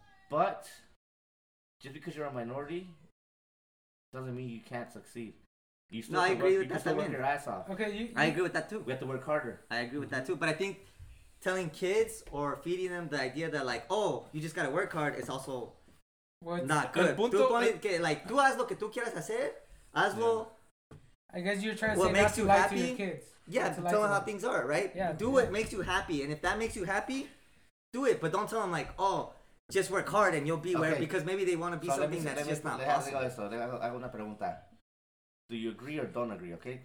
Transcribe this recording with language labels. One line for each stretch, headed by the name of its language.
English: But just because you're a minority doesn't mean you can't succeed. I agree with that too. We have to work harder. I agree with that too. But I think telling kids or feeding them the idea that like, oh, you just gotta work hard is also not good.
Spanish: Tú haz lo que tú quieras hacer, hazlo.
English: Yeah. I guess you're trying to what say makes you happy. To your kids. Yeah, to tell them how things are, right? Yeah. Do what makes you happy, and if that makes you happy, do it. But don't tell them like, oh, just work hard and you'll be where. Because maybe they want to be something that's just not possible. Let me ask una pregunta. Do you agree or don't agree? Okay,